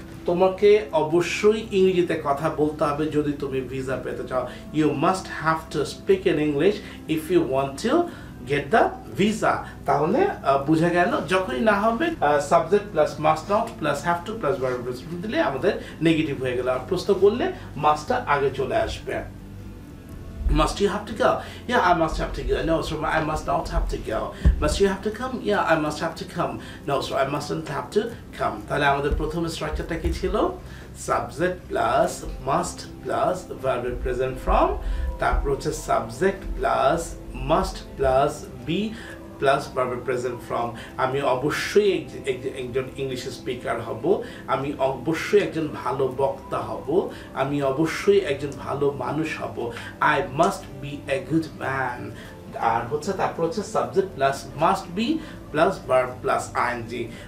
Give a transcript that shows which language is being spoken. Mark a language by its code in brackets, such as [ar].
[bn] তোমাকে অবশ্যই ইংরেজিতে কথা বলতে হবে যদি তুমি ভিসা পেতে চাও, [en] You must have to speak in English if you want to get the visa. [bn] তাহলে বোঝা গেল যখনই না হবে [en] subject plus must not plus have to plus verb [bn] দিলে আমাদের negative হয়ে গেল আর প্রশ্ন করলে must আগে চলে আসবে. [en] Must you have to go? Yeah, I must have to go. No, sir, I must not have to go. Must you have to come? Yeah, I must have to come. No, sir, I mustn't have to come. [bn] তাহলে আমাদের প্রথম স্ট্রাকচারটা কি ছিল? [en] Subject plus must plus verb present from. [bn] তারপর হচ্ছে [en] subject plus must plus be plus verb present from. [bn] আমি অবশ্যই একজন ইংলিশ স্পিকার হব, আমি অবশ্যই একজন ভালো বক্তা হব, আমি অবশ্যই একজন ভালো মানুষ হব. [en] I must be a good man. [bn] আর হচ্ছে তারপর হচ্ছে [en] Subject plus must be plus verb plus ING.